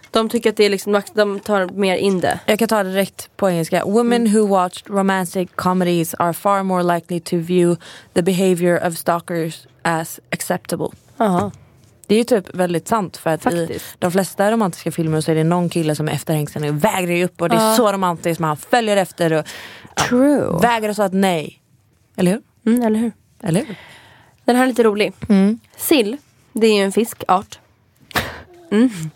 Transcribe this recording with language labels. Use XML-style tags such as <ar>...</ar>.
<sv>De tycker att det är liksom... De tar mer in det. Jag kan ta det direkt på engelska.</sv> <en>Women who watched romantic comedies are far more likely to view the behavior of stalkers as acceptable.</en> <sv>Aha. Det är ju typ väldigt sant. För att faktiskt, i de flesta romantiska filmer så är det någon kille som är efterhängsen och vägrar upp. Och det är så romantiskt. Man följer efter och...</sv> <en>True.</en> <sv>Vägrar så att nej. Eller hur? Mm, eller hur? Eller hur? Den här är lite rolig. Mm. Sill, det är ju en fiskart. Mm.</sv>